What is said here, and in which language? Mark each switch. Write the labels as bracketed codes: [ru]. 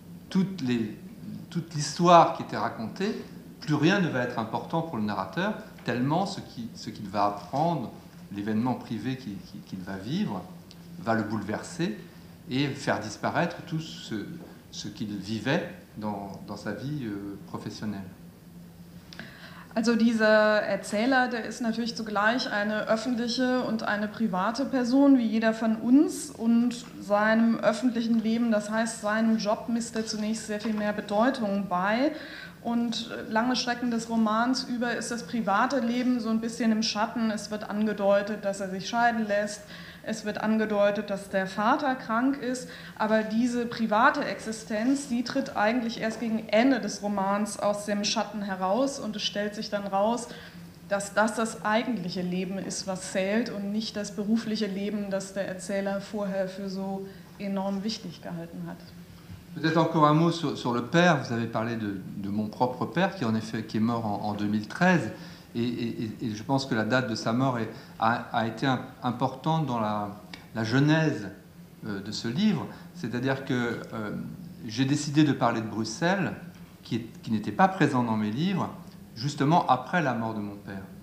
[fr] Toute l'histoire qui était racontée, plus rien ne va être important pour le narrateur, tellement ce qu'il va apprendre, l'événement privé qu'il va vivre, va le bouleverser et faire disparaître tout ce, ce qu'il vivait dans, dans sa vie professionnelle. [de] Also dieser Erzähler, der ist natürlich zugleich eine öffentliche und eine private Person, wie jeder von uns. Und seinem öffentlichen Leben, das heißt seinem Job, misst er zunächst sehr viel mehr Bedeutung bei. Und lange Strecken des Romans über ist das private Leben so ein bisschen im Schatten. Es wird angedeutet, dass er sich scheiden lässt. Es wird angedeutet, dass der Vater krank ist, aber diese private Existenz, die tritt eigentlich erst gegen Ende des Romans aus dem Schatten heraus und es stellt sich dann raus, dass das das eigentliche Leben ist, was zählt und nicht das berufliche Leben, das der Erzähler vorher für so enorm wichtig gehalten hat. [fr] Peut-être encore un mot sur le père. Vous avez parlé de mon propre père, qui en effet qui est mort en 2013. Et je pense que la date de sa mort a été importante dans la genèse de ce livre. C'est-à-dire que j'ai décidé de parler de Bruxelles, qui n'était pas présent dans mes livres, justement après la mort de mon père.